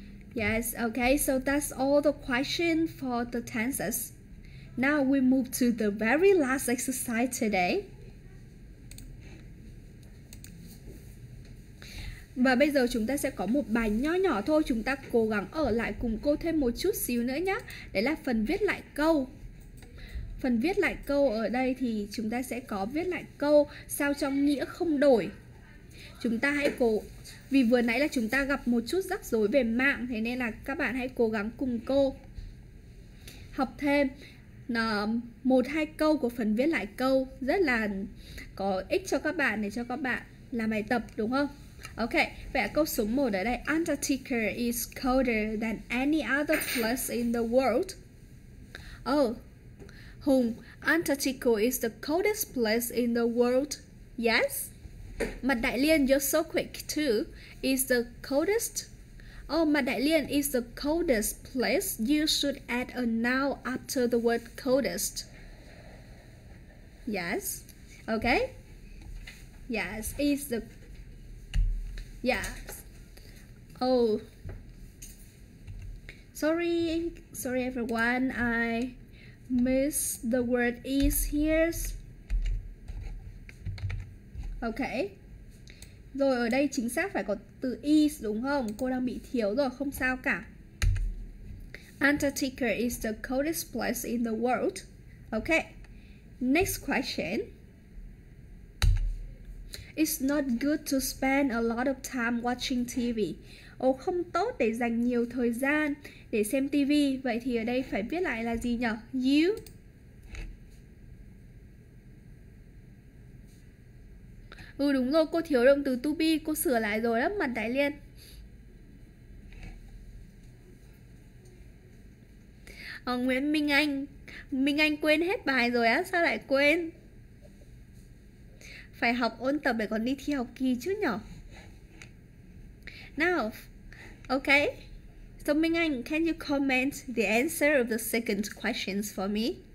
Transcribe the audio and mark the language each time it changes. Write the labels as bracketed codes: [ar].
[en] Yes, okay, so that's all the questions for the tenses. Now we move to the very last exercise today. [vi] Và bây giờ chúng ta sẽ có một bài nho nhỏ thôi. Chúng ta cố gắng ở lại cùng cô thêm một chút xíu nữa nhé. Đấy là phần viết lại câu. Phần viết lại câu ở đây thì chúng ta sẽ có viết lại câu sao cho nghĩa không đổi. Chúng ta hãy cố, vì vừa nãy là chúng ta gặp một chút rắc rối về mạng, thế nên là các bạn hãy cố gắng cùng cô học thêm một hai câu của phần viết lại câu, rất là có ích cho các bạn để cho các bạn làm bài tập đúng không? Ok, vậy câu số 1 ở đây. [en] Antarctica is colder than any other place in the world. Oh, Hùng, Antarctica is the coldest place in the world. Yes. Mặt Đại Liên, you're so quick too, is the coldest. Oh, Mặt Đại Liên is the coldest place. You should add a noun after the word coldest. Yes. Okay. Yes, is the. Yes. Oh. Sorry everyone, I missed the word is here. Okay. [vi] Rồi ở đây chính xác phải có từ is đúng không? Cô đang bị thiếu rồi, không sao cả. [en] Antarctica is the coldest place in the world. Ok, next question. It's not good to spend a lot of time watching TV. [vi] Ồ, không tốt để dành nhiều thời gian để xem TV. Vậy thì ở đây phải viết lại là gì nhỉ? You. Ừ đúng rồi, cô thiếu động từ to be, cô sửa lại rồi đó, Mặt Đại Liên. Ờ, Nguyễn Minh Anh. Minh Anh quên hết bài rồi á, sao lại quên? Phải học ôn tập để còn đi thi học kỳ chứ nhở? [en] Now, okay. So Minh Anh, can you comment the answer of the second questions for me?